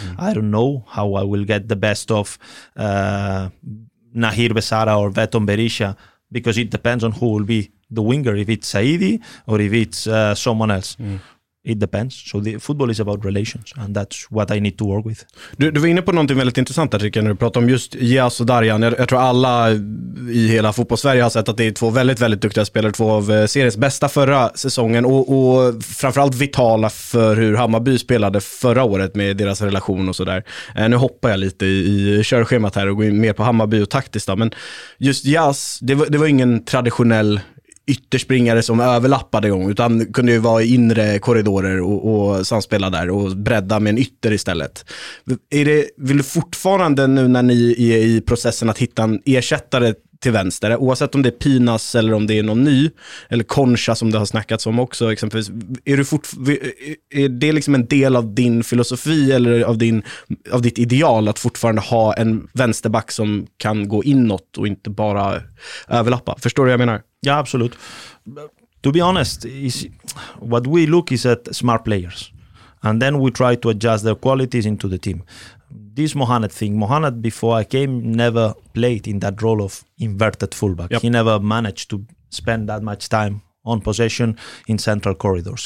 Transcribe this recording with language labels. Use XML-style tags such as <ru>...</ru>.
<en>I don't know how I will get the best of Nahir Besara or Veton Berisha, because it depends on who will be the winger, if it's Saidi or if it's someone else. It depends. So the football is about relations, and that's what I need to work with.</en> <sv>Du var inne på någonting väldigt intressant där, tycker jag, när du pratade om just Jas och Darjan. Jag tror alla i hela fotbollssverige har sett att det är två väldigt, väldigt duktiga spelare, två av seriens bästa förra säsongen, och framförallt vitala för hur Hammarby spelade förra året med deras relation och sådär. Nu hoppar jag lite i körschemat här och går mer på Hammarby och taktiskt då, men just Jas, det var ingen traditionell ytterspringare som överlappade gång, utan kunde ju vara i inre korridorer och samspela där och bredda med en ytter istället. Vill du fortfarande, nu när ni är i processen att hitta en ersättare till vänster, oavsett om det är Pinas eller om det är någon ny, eller Koncha som det har snackats om också exempelvis, är det liksom en del av din filosofi eller av ditt ideal att fortfarande ha en vänsterback som kan gå inåt och inte bara överlappa? Förstår du vad jag menar?</sv> <en>Yeah, absolutely. To be honest, what we look is at smart players. And then we try to adjust their qualities into the team. this Mohanad thing. Mohanad before I came never played in that role of inverted fullback. Yep. He never managed to spend that much time on possession in central corridors.</en>